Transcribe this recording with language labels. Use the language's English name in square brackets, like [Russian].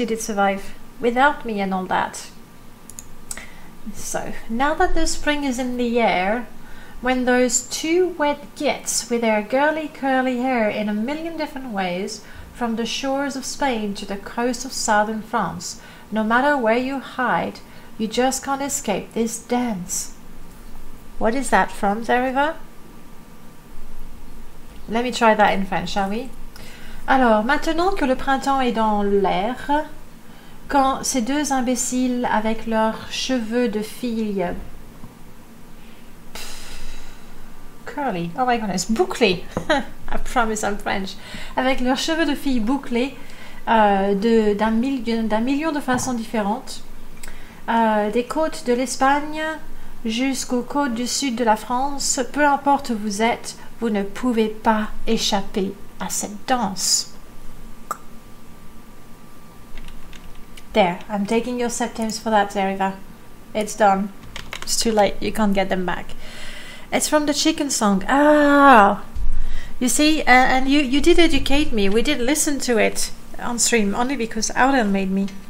[English] You did survive without me and all that. So, now that the spring is in the air, when those two wet gits with their girly curly hair in a million different ways from the shores of Spain to the coast of southern France, no matter where you hide, you just can't escape this dance. What is that from, Zeriva? Let me try that in French, shall we? [French] Alors, maintenant que le printemps est dans l'air, quand ces deux imbéciles avec leurs cheveux de filles... [English] curly. Oh my goodness. Bouclés. I promise I'm French. [French] Avec leurs cheveux de filles bouclés d'un million de façons différentes, des côtes de l'Espagne... jusqu'aux côtes du sud de la France, peu importe où vous êtes, vous ne pouvez pas échapper à cette danse. [English] There, I'm taking your septimes for that, Zeriva. It's done. It's too late, you can't get them back. It's from the chicken song. Ah! You see, and you did educate me. We did listen to it on stream, only because Aurel made me.